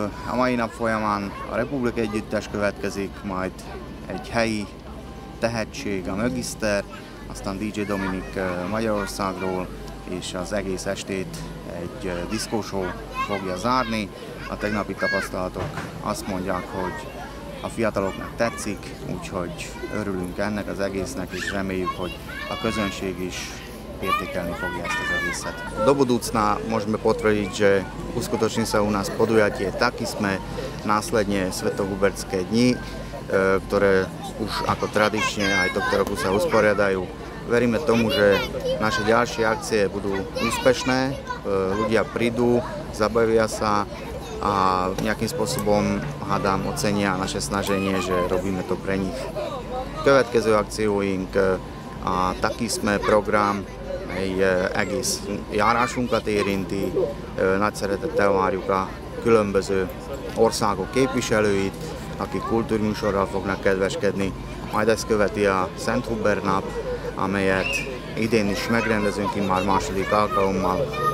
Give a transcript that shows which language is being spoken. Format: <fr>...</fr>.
<hu>A mai nap folyamán a Republik együttes következik, majd egy helyi tehetség, a Mgister, aztán DJ Dominik Magyarországról, és az egész estét egy diszkósó fogja zárni. A tegnapi tapasztalatok azt mondják, hogy a fiataloknak tetszik, úgyhogy örülünk ennek az egésznek, és reméljük, hogy a közönség is értékelni fogja ezt az egészet.</hu> <sk>Do budúcna môžeme potvrdiť, že uskutoční sa u nás podujatie taky sme následne Svetohubertské dni, ktoré už ako tradične aj tohto roku sa usporiadajú. Veríme tomu, že naše ďalšie akcie budú úspešné, ľudia prídu, zabavia sa a nejakým spôsobom hádam ocenia naše snaženie, že robíme to pre nich.</sk> <hu>Következő akcióink a taký sme program egész járásunkat érinti, nagy szeretettel várjuk a különböző országok képviselőit, akik kultúrműsorral fognak kedveskedni. Majd ezt követi a Szent Hubert nap, amelyet idén is megrendezünk, immár második alkalommal.</hu>